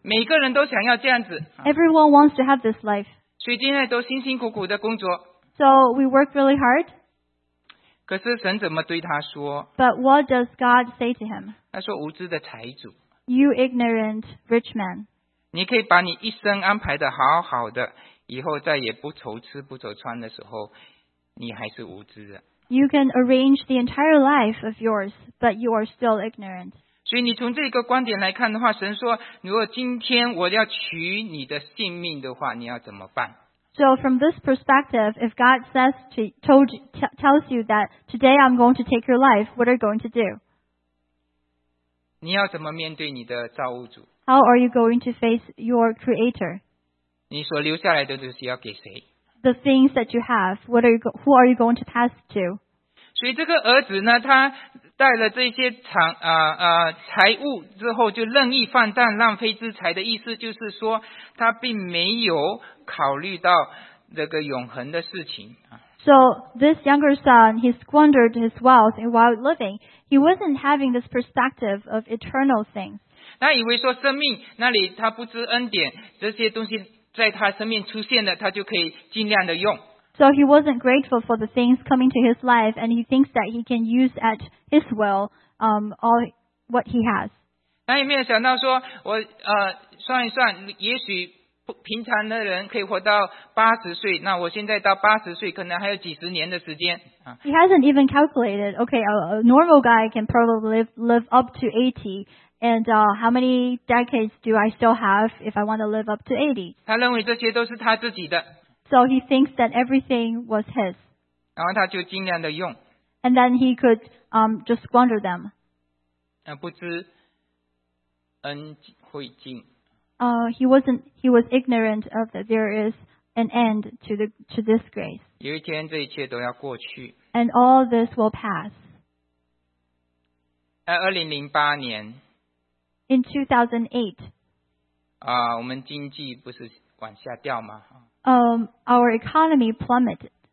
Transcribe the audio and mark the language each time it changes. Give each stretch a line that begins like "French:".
Chinese: 每个人都想要这样子。
English: Everyone wants to have this life.
Chinese: 所以现在都辛辛苦苦的工作。
English: So we work really hard.
Chinese: 可是神怎么对他说
English: ？But what does God say to him?
Chinese: 他说：“无知的财主。”
English: You ignorant rich man.
Chinese: 你可以把你一生安排的好好的，以后再也不愁吃不愁穿的时候，你还是无知的。
English: You can arrange the entire life of yours, but you are still ignorant.
Chinese: 所以你从这个观点来看的话，神说，如果今天我要取你的性命的话，你要怎么办
English: ？So from this perspective, if God says to tells you that today I'm going to take your life, what are you going to do?
Chinese: 你要怎么面对你的造物主？
English: How are you going to face your creator?
Chinese: 你所留下来的东西要给谁
English: ？The things that you have, what are you, who are you going to pass to?
Chinese: 所以这个儿子呢，他带了这些财物之后，就任意放荡、浪费之财的意思，就是说他并没有考虑到这个永恒的事情。
English: So this younger son, he squandered his wealth in wild living. He wasn't having this perspective of eternal things.
Chinese: 他以为说生命那里他不知恩典这些东西在他生命出现了他就可以尽量的用。
English: So he wasn't grateful for the things coming to his life and he thinks that he can use at his will all what he has.
Chinese: 他也没有想到说我算一算也许平常的人可以活到80岁那我现在到80岁可能还有几十年的时间。
English: He hasn't even calculated, okay, a normal guy can probably live up to 80,And how many decades do I still have if I want to live up to 80?
Chinese: 他认为这些都是他自己的。
English: So he thinks that everything was his.
Chinese: 然后他就尽量的用。
English: And then he could just squander them.
Chinese: 不知恩会尽。
English: He was ignorant of that there is an end to this grace.
Chinese: 有一天这一切都要过去。
English: And all this will pass.
Chinese: 2008年。
English: In 2008.
Chinese: 我们经济不是往下掉吗？
English: Our economy plummeted.